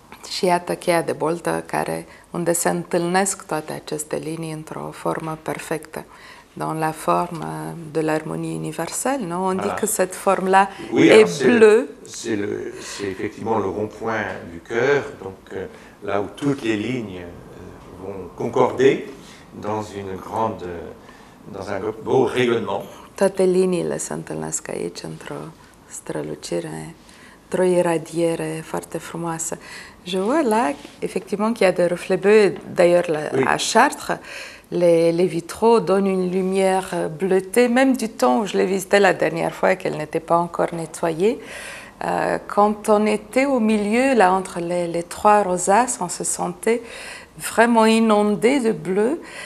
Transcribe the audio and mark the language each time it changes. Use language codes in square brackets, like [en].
[ro] Și iată cheia de boltă care, unde se întâlnesc toate aceste linii într-o formă perfectă, [fr] dans la forme de l'harmonie universelle, non? On dit que cette forme-là oui, est bleue. C'est effectivement le rond-point du cœur, donc là où toutes les lignes vont concorder dans une grande, dans un beau rayonnement. [ro] Toate liniile se întâlnesc aici într-o strălucire, într-o iradiere foarte frumoasă. [fr] Je vois là, effectivement, qu'il y a des reflets bleus. D'ailleurs, là, oui. À Chartres, les vitraux donnent une lumière bleutée, même du temps où je l'ai visité la dernière fois, qu'elle n'était pas encore nettoyée. Quand on était au milieu, là, entre les trois rosaces, on se sentait vraiment inondé de bleu.